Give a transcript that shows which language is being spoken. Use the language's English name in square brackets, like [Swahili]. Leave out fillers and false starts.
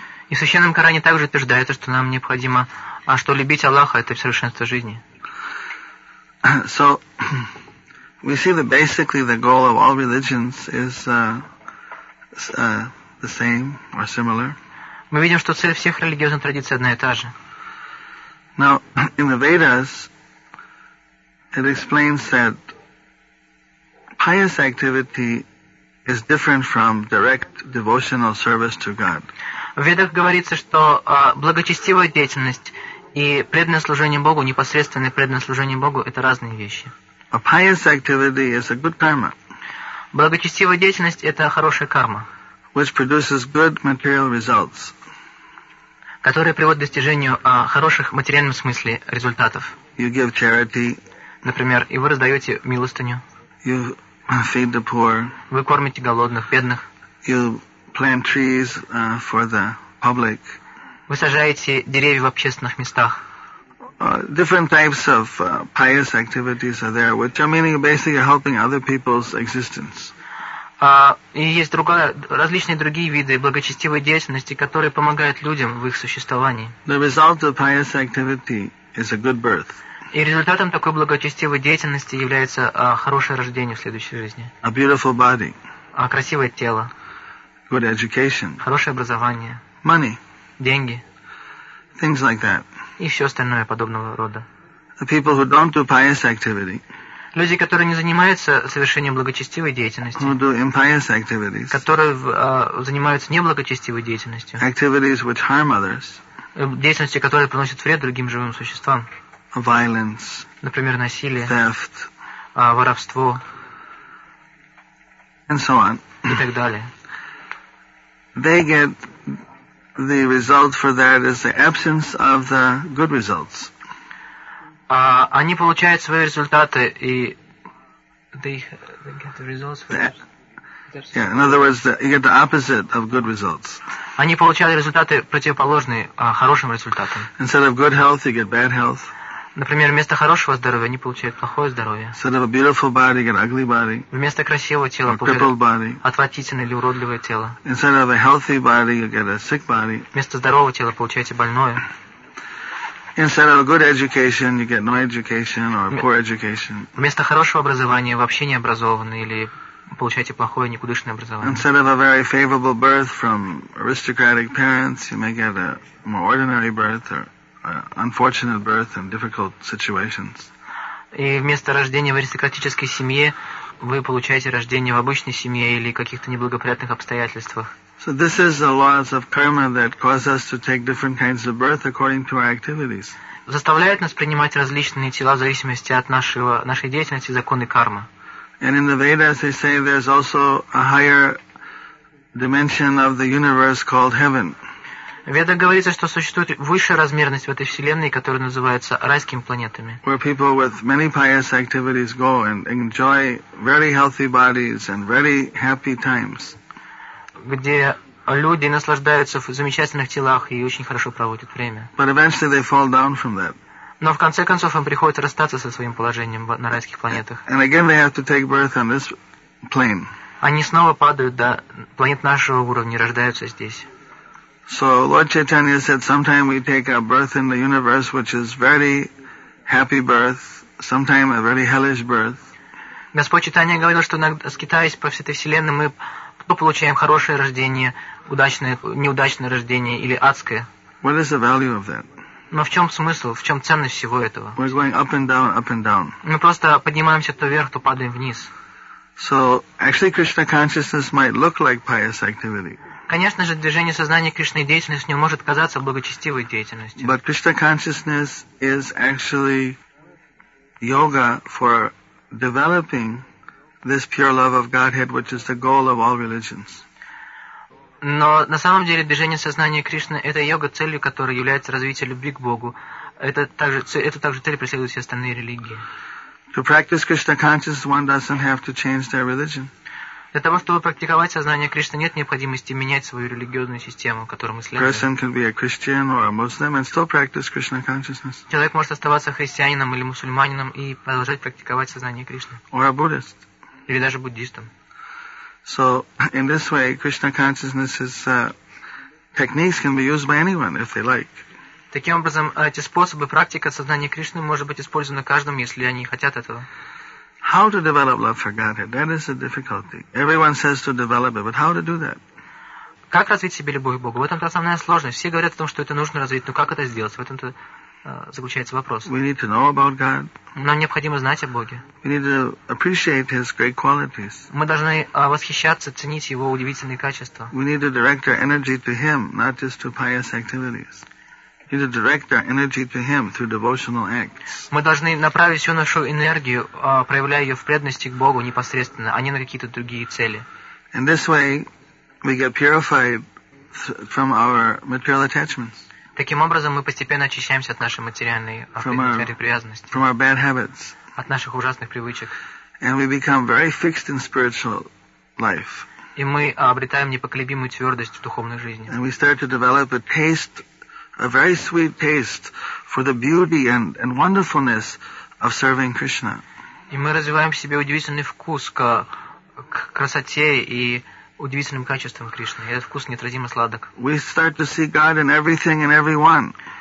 [Russian] И в Священном Коране также утверждается, что нам необходимо, что любить Аллаха — это совершенство жизни. [English] So, we see that basically the goal of all religions is the same or similar. [Russian] Мы видим, что цель всех религиозных традиций одна и та же. [English] Now, in the Vedas, it explains that pious activity is different from direct devotional service to God. [Russian] В Ведах говорится, что благочестивая деятельность и преданное служение Богу, непосредственное преданное служение Богу — это разные вещи. [English] A pious activity is a good karma. [Russian] Благочестивая деятельность — это хорошая карма, [English] which produces good material results. [Russian] Которая приводит к достижению хороших материальных смыслов результатов. [English] You give charity. [Russian] Например, и вы раздаете милостыню. [English] You feed the poor. [Russian] Вы кормите голодных, бедных. [English] You plant trees for the public. [Russian] Вы сажаете деревья в общественных местах. [English] Different types of pious activities are there, which are meaning basically you're helping other people's existence. [Russian] И есть различные другие виды благочестивой деятельности, которые помогают людям в их существовании. [English] The result of pious activity is a good birth. [Russian] И результатом такой благочестивой деятельности является хорошее рождение в следующей жизни. [English] A beautiful body. [Russian] Красивое тело. [English] Good education. [Russian] Хорошее образование. [English] Money. [Russian] Деньги. [English] Things like that. [Russian] И все остальное подобного рода. [English] The people who don't do pious activity. [Russian] Люди, которые не занимаются совершением благочестивой деятельности. [English] Who do impious activities. [Russian] Которые занимаются неблагочестивой деятельностью. [English] Activities which harm others. [Russian] Деятельности, которые приносят вред другим живым существам. [English] Violence. [Russian] Например, насилие. [English] Theft. [Russian] Воровство. [English] And so on. [Russian] И так далее. [English] They get the result for that is the absence of the good results. [Russian] Они получают свои результаты и [English] they get the results for that. Yeah, in other words, you get the opposite of good results. [Russian] Они получают результаты противоположные хорошим результатам. [English] Instead of good health, you get bad health. [Russian] Например, вместо хорошего здоровья они получают плохое здоровье. [English] Instead of a beautiful body, you get ugly body. [Russian] Вместо красивого тела получают отвратительное или уродливое тело. [English] Instead of a healthy body, you get a sick body. [Russian] Вместо здорового тела получаете больное. [English] Instead of a good education, you get no education or poor education. [Russian] Вместо хорошего образования вообще не образованы или получаете плохое никудышное образование. [English] Instead of a very favorable birth from aristocratic parents, you may get a more ordinary birth or unfortunate birth and difficult situations. [Russian] И вместо рождения в аристократической семье вы получаете рождение в обычной семье или каких-то неблагоприятных обстоятельствах. [English] So this is the laws of karma that cause us to take different kinds of birth according to our activities. [Russian] Заставляет нас принимать различные тела в зависимости от нашей деятельности, законы кармы. [English] And in the Vedas they say there's also a higher dimension of the universe called heaven. [Russian] Веда говорится, что существует высшая размерность в этой вселенной, которая называется райскими планетами. [English] Where people with many pious activities go and enjoy very healthy bodies and very happy times. [Russian] Где люди наслаждаются в замечательных телах и очень хорошо проводят время. [English] But eventually they fall down from that. [Russian] Но в конце концов им приходится расстаться со своим положением на райских планетах. [English] And again they have to take birth on this plane. [Russian] Они снова падают до планет нашего уровня, рождаются здесь. [English] So Lord Chaitanya said, sometime we take our birth in the universe, which is very happy birth, sometime a very hellish birth. [Russian] Господь Читания говорил, что скитаясь по всей этой вселенной, мы то получаем хорошее рождение, удачное, неудачное рождение или адское. [English] What is the value of that? [Russian] Но в чем смысл, в чем ценность всего этого? [English] We're going up and down, up and down. [Russian] Мы просто поднимаемся то вверх, то падаем вниз. [English] So actually, Krishna consciousness might look like pious activity. [Russian] Конечно же, движение сознания Кришны, деятельность в нем может казаться благочестивой деятельностью. [English] But Krishna consciousness is actually yoga for developing this pure love of Godhead, which is the goal of all religions. [Russian] Но на самом деле движение сознания Кришны – это йога, целью которой является развитие любви к Богу. Это также цель преследуют все остальные религии. [English] To practice Krishna consciousness, one doesn't have to change their religion. [Russian] Для того, чтобы практиковать сознание Кришны, нет необходимости менять свою религиозную систему, которую мы следуем. [English] Person can be a Christian or a Muslim and still practice Krishna consciousness. [Russian] Человек может оставаться христианином или мусульманином и продолжать практиковать сознание Кришны. [English] Or a Buddhist. [Russian] Или даже буддистом. [English] So in this way, Krishna consciousness's techniques can be used by anyone if they like. [Russian] Таким образом, эти способы практика сознания Кришны может быть использована каждым, если они хотят этого. [English] How to develop love for Godhead? That is the difficulty. Everyone says to develop it, but how to do that? [Russian] Как развить себе любовь к Богу? В этом-то основная сложность. Все говорят о том, что это нужно развить, но как это сделать? В этом-то заключается вопрос. [English] We need to know about God. [Russian] Нам необходимо знать о Боге. [English] We need to appreciate His great qualities. [Russian] Мы должны восхищаться, ценить Его удивительные качества. [English] We need to direct our energy to Him, not just to pious activities. We need to direct our energy to Him through devotional acts. [Russian] Мы должны направить всю нашу энергию, проявляя ее в преданности к Богу непосредственно, а не на какие-то другие цели. [English] In this way, we get purified from our material attachments. [Russian] Таким образом, мы постепенно очищаемся от нашей материальной привязанности. [English] From our bad habits. [Russian] От наших ужасных привычек. [English] And we become very fixed in spiritual life. [Russian] И мы обретаем непоколебимую твердость в духовной жизни. [English] And we start to develop a taste. A very sweet taste for the beauty and wonderfulness of serving Krishna. [Russian] И мы развиваем в себе удивительный вкус к красоте и удивительным качествам Кришны. Этот вкус неотразимо сладок. [English] We start to see God in everything and everyone.